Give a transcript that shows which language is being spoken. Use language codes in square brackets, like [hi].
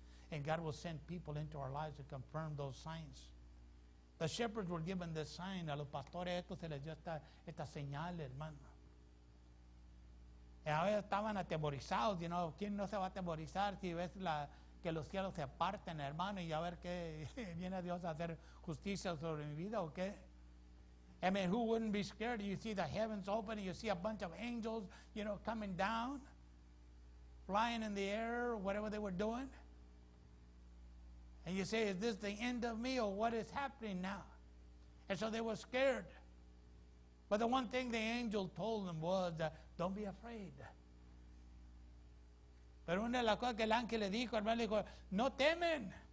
[en] And God will send people into our lives to confirm those signs. The shepherds were given this sign. [es] A los pastores estos se les dio esta señal, hermano. Y a veces estaban atemorizados, [en] you know, [es] ¿quién no se va a atemorizar si ves que los cielos se parten, hermano, y a ver qué viene Dios a hacer justicia sobre mi vida o qué? [en] I mean, who wouldn't be scared? You see the heavens open and you see a bunch of angels, you know, coming down, flying in the air, whatever they were doing. And you say, is this the end of me or what is happening now? And so they were scared. But the one thing the angel told them was, don't be afraid. [es] Pero una de las cosas que el ángel le dijo, hermano, le dijo, no temen.